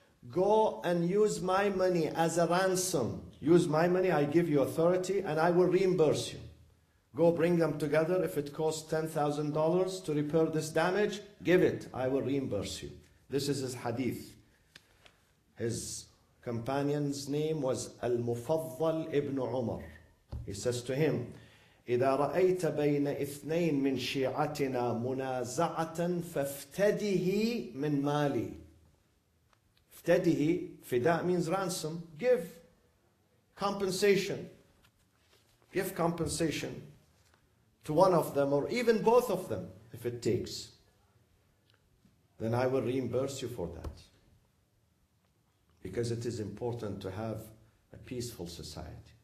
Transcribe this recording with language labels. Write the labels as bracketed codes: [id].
[en] Go and use my money as a ransom. Use my money, I give you authority, and I will reimburse you. Go bring them together. If it costs $10,000 to repair this damage, give it. I will reimburse you. This is his hadith. His companion's name was Al-Mufaddal ibn Umar. He says to him, [ar] إِذَا رَأَيْتَ بَيْنَ إِثْنَيْنْ مِنْ شِيعَتِنَا مُنَازَعَةً فَافْتَدِهِ مِنْ مَالِي. افْتَدِهِ, [en] fida means ransom. Give compensation. Give compensation to one of them or even both of them if it takes. Then I will reimburse you for that. Because it is important to have a peaceful society.